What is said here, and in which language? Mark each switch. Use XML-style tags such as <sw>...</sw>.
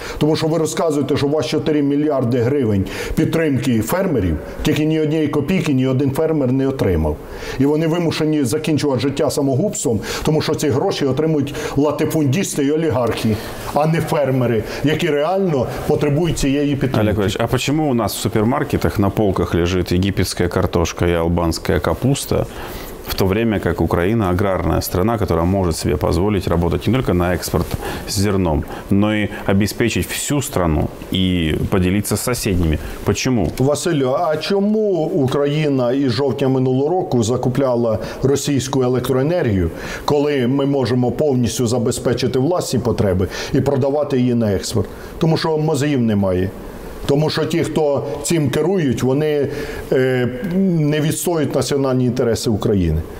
<uk>Тому що ви розказуєте, що у вас 4 мільярди гривень підтримки фермерів, тільки ні однієї копійки, ні один фермер не отримав. І вони вимушені закінчувати життя самогубством, тому що ці гроші отримують латифундісти і олігархи, а не фермери, які реально потребують цієї підтримки.</uk> <ru>Олег Ильич,</ru> <uk>а чому у нас в супермаркетах на полках лежить єгипетська картошка</uk> <ru>и албанская капуста, в то время как Украина аграрная страна, которая может себе позволить работать не только на экспорт с зерном, но и обеспечить всю страну и поделиться с соседними. Почему?</ru> <uk>Василю, а чому Україна із жовтня минулого року закупляла російську електроенергію, коли ми можемо повністю забезпечити власні потреби і продавати її на експорт? Тому що мозгів немає. Тому що ті, хто цим керують, вони не відстоюють національні інтереси України.</uk>